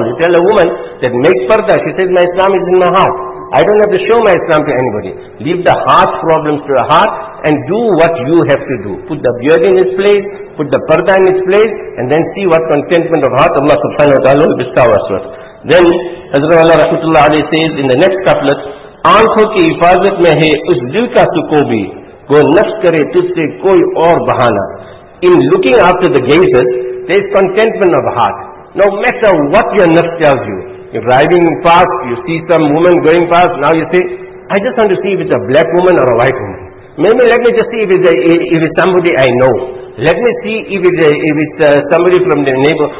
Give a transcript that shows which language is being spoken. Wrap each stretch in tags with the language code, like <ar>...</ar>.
<en>You tell a woman that make parda. She says, my Islam is in my heart. I don't have to show my Islam to anybody. Leave the heart problems to the heart and do what you have to do. Put the beard in its place, put the parda in its place, and then see what contentment of heart Allah subhanahu wa ta'ala will bestow us with.</en> <ur>Then حضرت اللہ رحمت اللہ علیہ</ur> <en>says in the next couplet,</en> <ur>آنکھوں کی حفاظت میں ہے اس دل کا سکو بھی گو نفس کرے تجھ سے کوئی اور بہانہ.</ur> <en>In looking after the gazes, there is contentment of heart. No matter what your nafs tells you, you're driving past, you see some woman going past, now you say, I just want to see if it's a black woman or a white woman. Maybe let me just see if it's somebody I know. Let me see if it's somebody from the neighbor.</en>